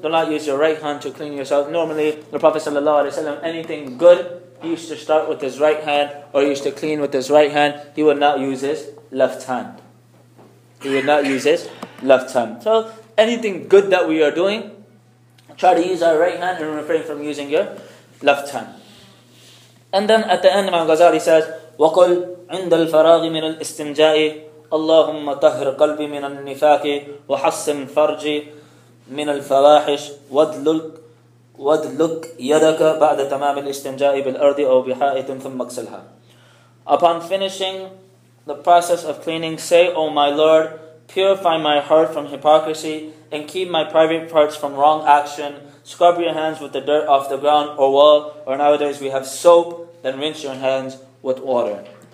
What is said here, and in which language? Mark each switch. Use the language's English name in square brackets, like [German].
[English] Do not use your right hand to clean yourself. Normally, the Prophet ﷺ, anything good, he used to start with his right hand, or he used to clean with his right hand. He would not use his left hand. He would not use his left hand. So, anything good that we are doing, try to use our right hand and refrain from using your left hand. And then at the end, Imam Ghazali says, [Arabic] وَقُلْ عِنْدَ الْفَرَاغِ مِنَ الْإِسْتِمْجَاءِ اللهم طهر قلبي من النفاق وحسن فرجي من الفواحش وادلك يدك بعد تمام الاستنجاء بالارض او بحائط ثم اغسلها. [English] Upon finishing the process of cleaning, say, O my Lord, purify my heart from hypocrisy and keep my private parts from wrong action. Scrub your hands with the dirt off the ground or wall, or nowadays we have soap, then rinse your hands with water.